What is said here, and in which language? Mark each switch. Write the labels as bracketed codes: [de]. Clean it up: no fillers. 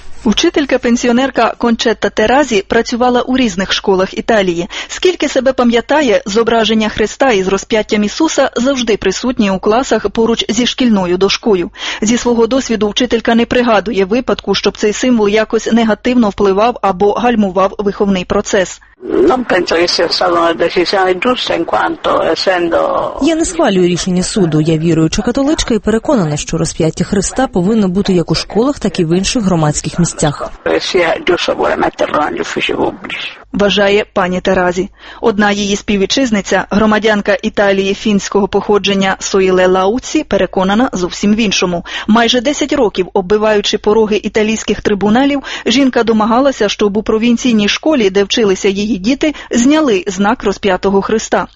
[uk] Учителька-пенсіонерка Кончетта Теразі працювала у різних школах Італії. Скільки себе пам'ятає, зображення Христа із розп'яттям Ісуса завжди присутнє у класах поруч зі шкільною дошкою. Зі свого досвіду вчителька не пригадує випадку, щоб цей символ якось негативно впливав або гальмував виховний процес. [it] Non penso che sia stata una decisione giusta in quanto essendo [uk] Я не схвалюю рішення суду. Я віруюча католичка і переконана, що розп'яття Христа повинно бути як у школах, так і в інших громадських місцях. [it] Sia giusto pure metterlo negli uffici pubblici. [uk] Вважає пані Теразі. Одна її співвітчизниця, громадянка Італії фінського походження Соїле Лауці, переконана зовсім в іншому. Майже 10 років, оббиваючи пороги італійських трибуналів, жінка домагалася, щоб у провінційній школі, де вчилися її діти, зняли знак розп'ятого Христа.